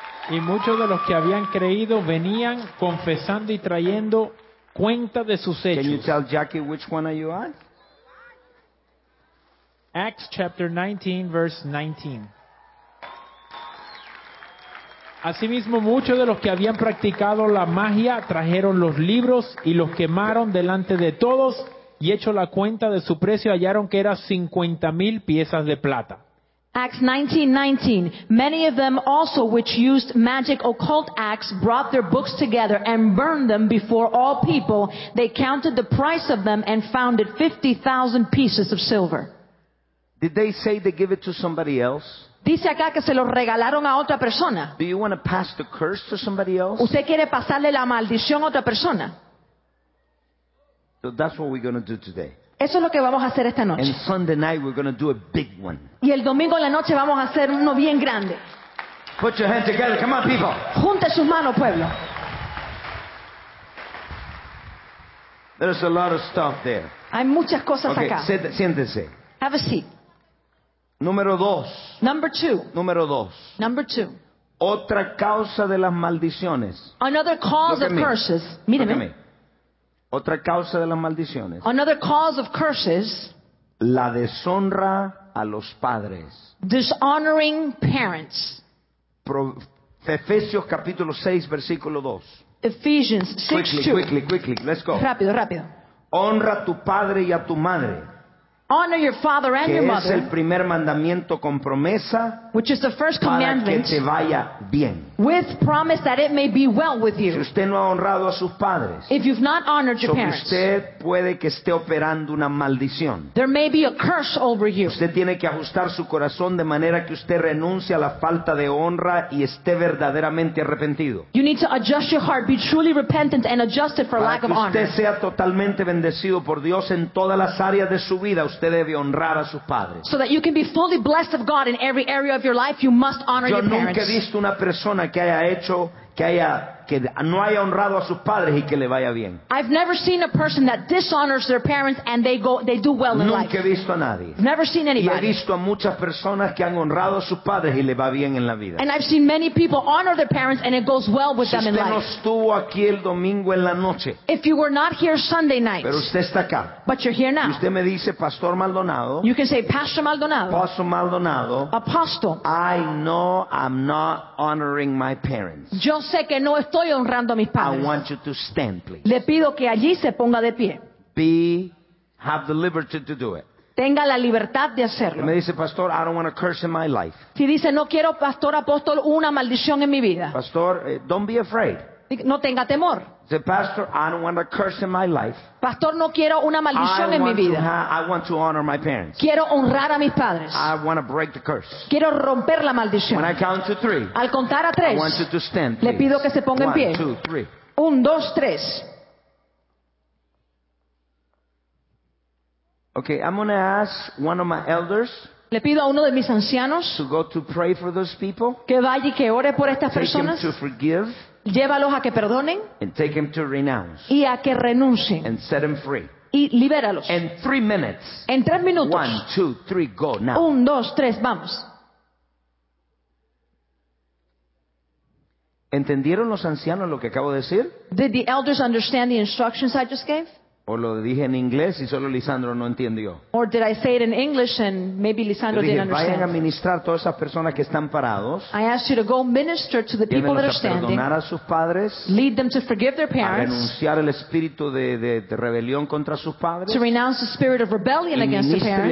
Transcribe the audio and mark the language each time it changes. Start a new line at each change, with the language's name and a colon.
Spanish: Y muchos de los que habían creído venían confesando y trayendo cuenta de sus hechos.
English: Can you tell Jackie which one are you on? Acts chapter 19, verse 19.
Spanish: Asimismo, muchos de los que habían practicado la magia trajeron los libros y los quemaron delante de todos, y hecho la cuenta de su precio, hallaron que era 50,000 piezas de plata.
English: Acts 19:19. Many of them also which used magic occult acts brought their books together and burned them before all people. They counted the price of them and found it 50,000 pieces of silver. Did they say they give it to somebody else?
Spanish: Dice acá que se lo regalaron a otra persona.
English: Do you want to pass the curse to somebody else?
Spanish: ¿Usted quiere pasarle la maldición a otra persona?
English: So that's what we're going to do today.
Spanish: Eso es lo que vamos a hacer esta noche.
English: And Sunday night we're going to do a big one.
Spanish: Y el domingo en la noche vamos a hacer uno bien grande.
English: Put your hands together. Come on, people.
Spanish: Junte sus manos, pueblo.
English: There's a lot of stuff there.
Spanish: Hay muchas cosas
English: okay,
Spanish: acá. Siéntese.
English: Have a seat.
Spanish: Número dos.
English: Number two.
Spanish: Número dos.
English: Number two.
Spanish: Otra causa de las maldiciones.
English: Another cause Look of curses.
Spanish: Míreme.
English: Look at me.
Spanish: Otra causa de las maldiciones.
English: Another cause of curses.
Spanish: La deshonra a los padres.
English: Dishonoring parents.
Spanish: Efesios capítulo 6, versículo 2.
English: Ephesians 6, 2. Quickly, quickly, quickly. Let's go.
Spanish: Rápido, rápido. Honra a tu padre y a tu madre.
English: Honor your father and your mother.
Spanish: Que es el primer mandamiento con promesa.
English: Which is the first commandment.
Spanish: Para que te vaya bien.
English: With promise that it may be well with you.
Spanish: Si usted no ha honrado a sus padres.
English: If you've not honored your parents.
Spanish: Usted puede que esté operando una maldición.
English: There may be a curse over you.
Spanish: Usted tiene que ajustar su corazón de manera que usted renuncie a la falta de honra y esté verdaderamente arrepentido.
English: You need to adjust your heart, be truly repentant and adjusted for
Spanish: para
English: lack of honor.
Spanish: Para que usted sea totalmente bendecido por Dios en todas las áreas de su vida, usted debe honrar a sus padres.
English: So that you can be fully blessed of God in every area of your life, you must honor your parents.
Spanish: Yo nunca he visto una persona que haya hecho que no haya honrado a sus padres y que le vaya bien.
English: I've never seen a person that dishonors their parents and they do well in
Spanish: nunca
English: life.
Spanish: Nunca he visto a nadie.
English: I've never seen anybody.
Spanish: Y he visto a muchas personas que han honrado a sus padres y le va bien en la vida.
English: And I've seen many people honor their parents and it goes well with
Spanish: si
English: them in life.
Spanish: Si usted no estuvo aquí el domingo en la noche.
English: If you were not here Sunday night.
Spanish: Pero usted está acá.
English: But you're here now.
Spanish: Y usted me dice Pastor Maldonado.
English: You can say Pastor Maldonado. Pastor Maldonado. Apostle. I know I'm not honoring my parents.
Spanish: Yo sé que no estoy honrando a mis padres.
English: I want you to stand, please.
Spanish: Le pido que allí se ponga de pie.
English: Be, have the liberty to do it.
Spanish: Tenga la libertad de hacerlo. Me dice,
English: Pastor, I don't want a curse in my life.
Spanish: Si dice, no quiero, Pastor Apóstol, una maldición en mi vida.
English: Pastor, don't be afraid.
Spanish: No tenga temor.
English: The pastor, I don't want a curse in my life.
Spanish: Pastor, no quiero una maldición en mi vida.
English: I want to honor my parents.
Spanish: Quiero honrar a mis padres.
English: I want to break the curse.
Spanish: Quiero romper la maldición.
English: When I count to three,
Spanish: al contar a tres,
English: I want you to stand,
Spanish: le pido que se ponga
English: One,
Spanish: en pie.
English: Two, three.
Spanish: Un, dos, tres.
English: Okay, I'm going to ask one of my elders.
Spanish: Le pido a uno de mis ancianos
English: to go to pray for those people.
Spanish: Que vaya y que ore por estas
English: Take
Spanish: personas.
English: Him to forgive.
Spanish: Llévalos a que perdonen
English: and take him to renounce.
Spanish: Y a que renuncien
English: and set him free.
Spanish: Y libéralos
English: In 3 minutes.
Spanish: En 3 minutos.
English: 1 2 3 go now.
Spanish: 1 2 3 vamos. ¿Entendieron los ancianos lo que acabo de decir?
English: Did the elders understand the instructions I just gave?
Spanish: O lo dije en inglés y solo Lisandro no entendió.
English: Or did I say it in English and maybe Lisandro
Spanish: dije,
English: didn't understand?
Spanish: Vayan a ministrar a todas esas personas que están parados.
English: I asked you to go minister to the people that are standing.
Spanish: Perdonar a sus padres.
English: Lead them to forgive their parents.
Spanish: A renunciar el espíritu de rebelión contra sus padres.
English: To renounce the spirit of rebellion against their parents.